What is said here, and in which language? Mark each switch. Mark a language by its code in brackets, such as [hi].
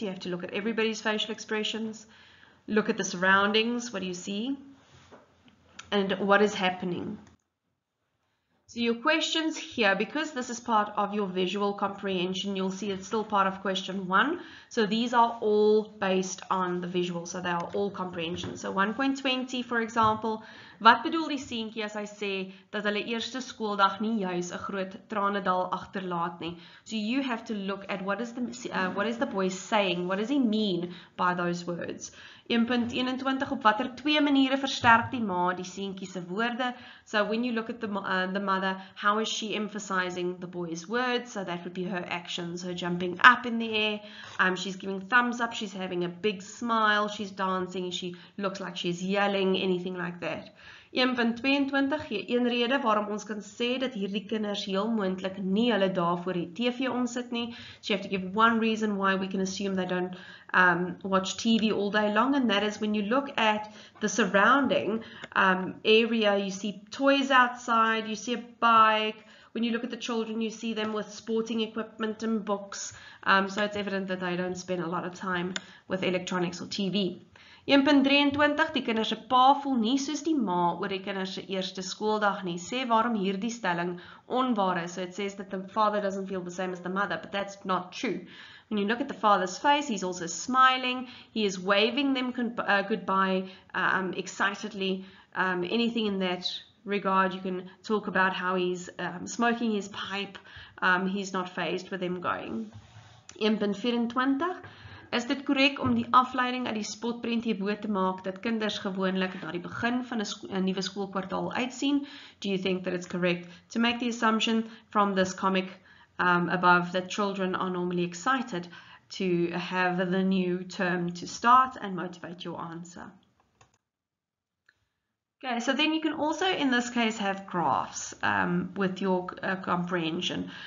[en] You have to look at everybody's facial expressions, look at the surroundings, what do you see, and what is happening. So your questions here, because this is part of your visual comprehension, you'll see it's still part of question one. So these are all based on the visual, so they are all comprehension. So 1.20, for example, [af] wat bedoel die seentjie as hy sê dat hulle eerste skooldag nie juis 'n groot tranendal agterlaat nie? [en] So you have to look at what is the boy saying? What does he mean by those words? [af] 1.21, op watter twee maniere versterk die ma die seentjie se woorde? [en] So when you look at the mother, how is she emphasizing the boy's words? So that would be her actions, her jumping up in the air. She's giving thumbs up, she's having a big smile, she's dancing, she looks like she's yelling, anything like that. [af] 1.22, gee een rede waarom ons kan sê dat hierdie kinders heel moontlik nie hulle dae voor die TV omsit nie. [en] So you have to give one reason why we can assume they don't watch TV all day long, and that is when you look at the surrounding area, you see toys outside, you see a bike. When you look at the children, you see them with sporting equipment and books. So it's evident that they don't spend a lot of time with electronics or TV. [af] 1.23, die kinders se pa voel nie soos die ma oor die kinders se eerste skooldag nie. Sê waarom hierdie stelling onwaar is. [en] So it says that the father doesn't feel the same as the mother, but that's not true. When you look at the father's face, he's also smiling. He is waving them goodbye excitedly. Anything in that regard, you can talk about how he's smoking his pipe. He's not fazed with them going. [af] 1.24, is dit korrek om die afleiding uit die spotprent hierbo te maak dat kinders gewoonlik na die begin van 'n nuwe skoolkwartaal uitsien? [en] Do you think that it's correct to make the assumption from this comic above that children are normally excited to have the new term to start, and motivate your answer? Okay, so then you can also, in this case, have graphs with your comprehension.